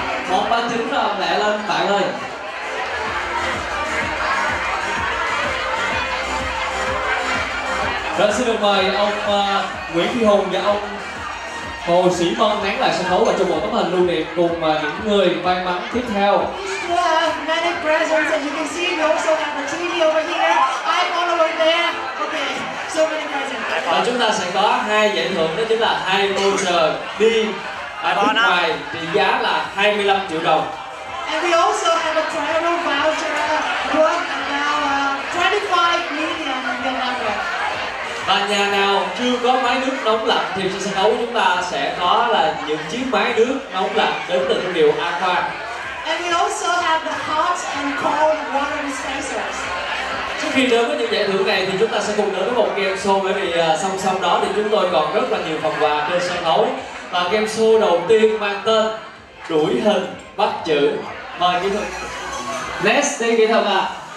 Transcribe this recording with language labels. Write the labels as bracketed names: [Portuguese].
[Vietnamese] Một ba chín là mẹ lên bạn ơi. Rồi xin được mời ông Nguyễn Phi Hùng và ông Hồ Sĩ Mân nén lại sân khấu và chụp một tấm hình lưu niệm cùng những người may mắn tiếp theo. [English] We have many presents and you can see we also have a TV over here, iPhone over there. Okay, so many presents. [Vietnamese] Và chúng ta sẽ có hai giải thưởng, đó chính là hai voucher đi nước ngoài trị giá là 25 triệu đồng. [English] And we also have a travel voucher worth about 25 million in the number. [Vietnamese] Và nhà nào chưa có máy nước nóng lạnh thì trên sân khấu chúng ta sẽ có là những chiếc máy nước nóng lạnh đến từ thương hiệu Aqua. [English] And we also have the hot and cold water dispensers. [Vietnamese] Trước khi đến với những giải thưởng này thì chúng ta sẽ cùng đến với một game show, bởi vì song song đó thì chúng tôi còn rất là nhiều phần quà trên sân khấu. Và game show đầu tiên mang tên Đuổi Hình Bắt Chữ. Mời kỹ thuật Next đi kỹ thuật ạ.